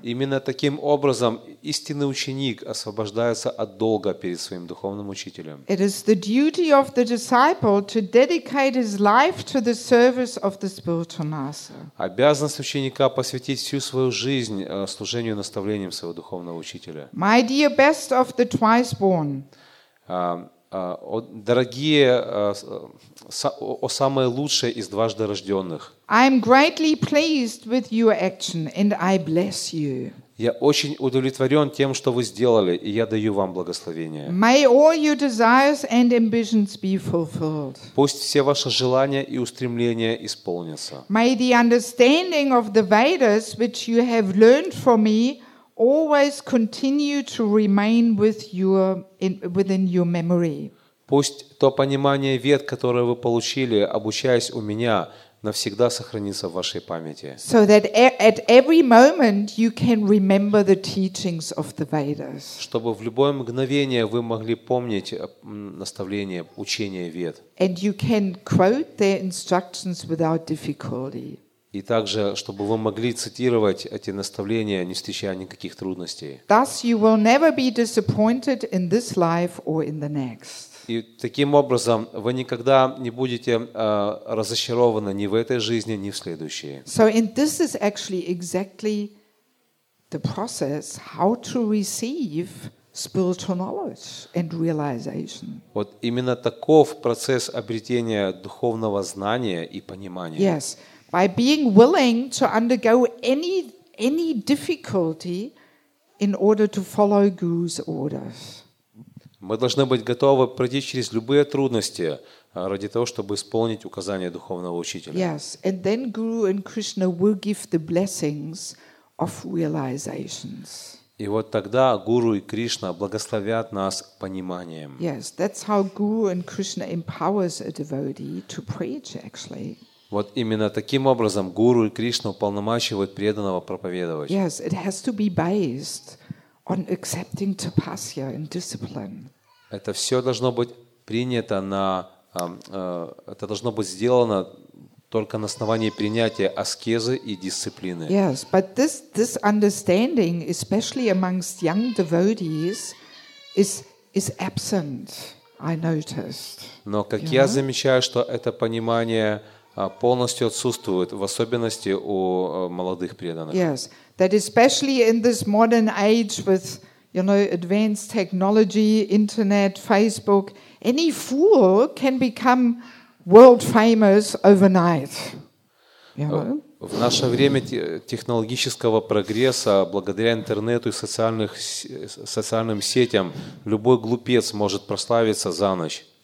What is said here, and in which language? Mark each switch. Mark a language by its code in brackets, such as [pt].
[ru] Именно таким образом истинный ученик освобождается от долга перед своим духовным учителем. [en] It is the duty of the disciple to dedicate his life to the service of the spiritual master. [ru] Обязанность ученика посвятить всю свою жизнь служению и наставлениям своего духовного учителя. [en] My dear best of the twice born. [ru] Дорогие, о самое лучшее из дважды рожденных. [en] I am greatly pleased with your action, and I bless you. [ru] Я очень удовлетворен тем, что вы сделали, и я даю вам благословение. [en] May all your desires and ambitions be fulfilled. [ru] Пусть все ваши желания и устремления исполнятся. [en] May the understanding of the Vedas, which you have learned from me, always continue to remain with your within your memory. [ru] Пусть то понимание вед, которое вы получили, обучаясь у меня, навсегда сохранится в вашей памяти. [en] So that at every moment you can remember the teachings of the Vedas. [ru] Чтобы в любое мгновение вы могли помнить наставления, учения вед. [en] And you can quote their instructions without difficulty. [ru] И также, чтобы вы могли цитировать эти наставления, не встречая никаких трудностей. [en] Thus you will never be disappointed in this life or in the next. [ru] И таким образом вы никогда не будете разочарованы ни в этой жизни, ни в следующей. [en] So and this is actually exactly the process how to receive spiritual knowledge and realization. [ru] Вот именно таков процесс обретения духовного знания и понимания. [en] Yes. By being willing to undergo any difficulty in order to follow Guru's orders. [ru] Мы должны быть готовы пройти через любые трудности ради того, чтобы исполнить указания духовного учителя. [en] Yes, and then Guru and Krishna will give the blessings of realizations. [ru] И вот тогда Гуру и Кришна благословят нас пониманием. [en] Yes, that's how Guru and Krishna empowers a devotee to preach, actually. [ru] Вот именно таким образом Гуру и Кришна уполномачивают преданного проповедовать. [en] Yes, it has to be based on accepting tapasya and discipline. [ru] Это все должно быть принято на это должно быть сделано только на основании принятия аскезы и дисциплины. [en] Yes, but this understanding, especially amongst young devotees, is absent. I noticed. [ru] Но как я замечаю, что это понимание полностью отсутствует, в особенности у молодых преданных. [en] Yes, that especially in this modern age with, you know, advanced technology, internet, Facebook, any fool can become world famous overnight. [ru] В наше время технологического прогресса, благодаря интернету и социальным сетям, любой глупец может прославиться за ночь.